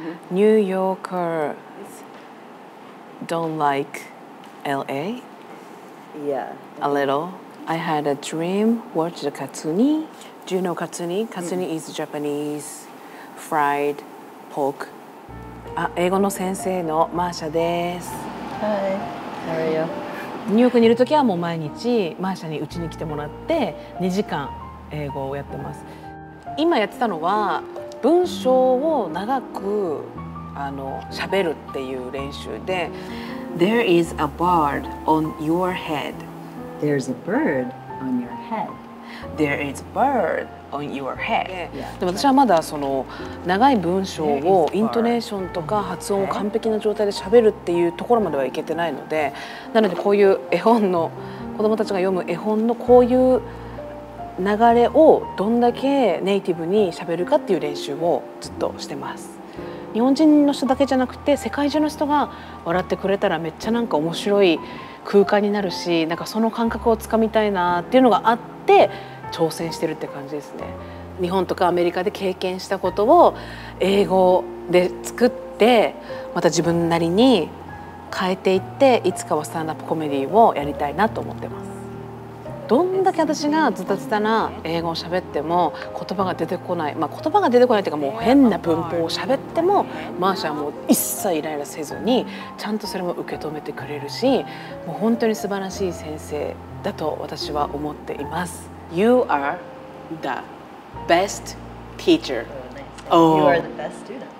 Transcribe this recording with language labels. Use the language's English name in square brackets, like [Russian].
[English] ニューヨーカー don't like LA? Yeah, a littleI had a dream, watched the katsuni. Do you know katsuni? Katsuni is Japanese fried pork. [Japanese] あ、英語の先生のマーシャです。 [English] Hi, how are you? [Japanese] ニューヨークにいるときはもう毎日マーシャに家に来てもらって2時間英語をやってます。今やってたのは文章を長く喋るっていう練習で。 [English] There is a bird on your head. There's a bird on your head. There is a bird on your head. [Japanese] でも私はまだその長い文章をイントネーションとか発音を完璧な状態で喋るっていうところまではいけてないので、なのでこういう絵本の、子供たちが読む絵本のこういう流れをどんだけネイティブに喋るかっていう練習をずっとしてます。日本人の人だけじゃなくて世界中の人が笑ってくれたらめっちゃなんか面白い空間になるし、なんかその感覚をつかみたいなっていうのがあって挑戦してるって感じですね。日本とかアメリカで経験したことを英語で作って、また自分なりに変えていって、いつかはスタンダップコメディをやりたいなと思ってます。どんだけ私がズタズタな英語を喋っても言葉が出てこない、まあ、言葉が出てこないというか、もう変な文法を喋っても、マーシャはもう一切イライラせずにちゃんとそれも受け止めてくれるし、もう本当に素晴らしい先生だと私は思っています。 [English] You are the best teacher. You are the best student.